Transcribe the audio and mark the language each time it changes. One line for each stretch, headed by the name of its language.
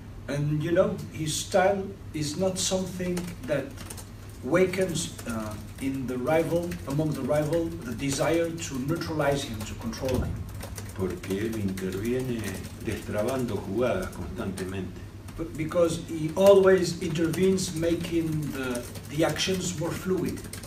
English: And you know, his style is not something that wakens in the rival, among the rival, the desire to neutralize him, to control him.
Spanish: Porque él interviene destrabando jugadas constantemente.
English: But because he always intervenes, making the actions more fluid.